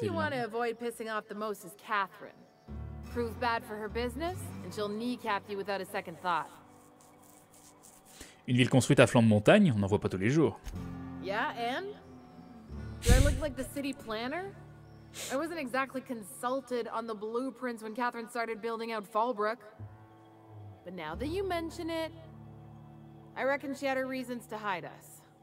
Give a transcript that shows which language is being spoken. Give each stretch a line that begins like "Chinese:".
English: The one you want to avoid pissing off the most is Catherine. Prove bad for her business, and she'll kneecap you without a second thought.
French: Une ville construite à flanc de montagne, on n'en voit pas tous les jours.
English: Yeah, and? Do I look like the city planner? I wasn't exactly consulted on the blueprints when Catherine started building out Fallbrook. But now that you mention it, I reckon she had her reasons to hide us.